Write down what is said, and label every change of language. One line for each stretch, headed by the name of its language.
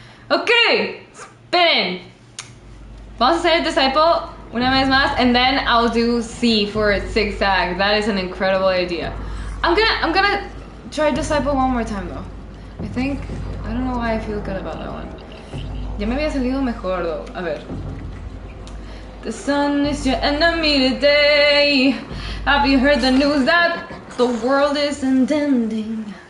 English: Okay, spin!
Spanish: Vamos a hacer Disciple una vez más,
English: and then I'll do C for zigzag. That is an incredible idea. I'm gonna try Disciple one more time though. I think, I don't know why I feel good about that one.
Spanish: Ya me había salido mejor
English: though.
Spanish: A ver.
English: The sun is your enemy today. Have you heard the news that the world is ending?